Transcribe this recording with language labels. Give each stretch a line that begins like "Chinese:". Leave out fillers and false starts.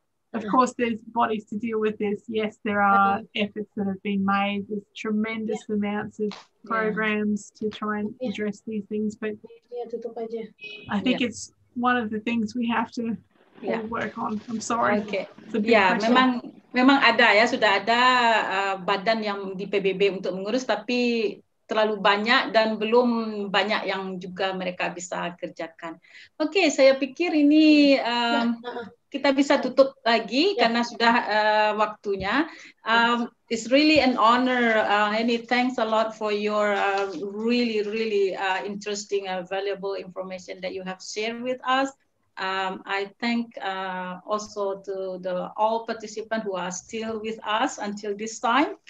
English: Of course, there's bodies to deal with this. Yes, there are efforts that have been made. There's tremendous amounts of programs to try and address these things. But I think it's one of the things we have to work on. I'm sorry.
Indonesian: Okay. Yeah, memang ada ya. Sudah ada badan yang di PBB untuk mengurus, tapi terlalu banyak dan belum banyak yang juga mereka bisa kerjakan. Okay, saya pikir ini... kita bisa tutup lagi karena sudah waktunya.
English: It's really an honor. Any thanks a lot for your really interesting and valuable information that you have shared with us. I thank also to the all participants who are still with us until this time.